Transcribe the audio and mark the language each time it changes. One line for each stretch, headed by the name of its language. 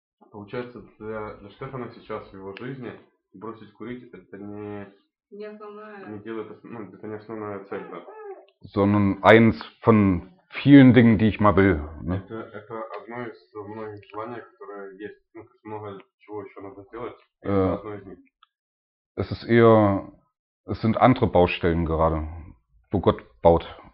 Russian: Получается, для Штефана сейчас в его жизни бросить курить это не основная цель, да.
German: Sondern eins von vielen Dingen, die ich mal will. Ne?
Russian: Это одно из многих желаний, которое есть. Ну, много чего еще надо сделать.
German: Es ist eher, es sind andere Baustellen gerade, wo Gott baut.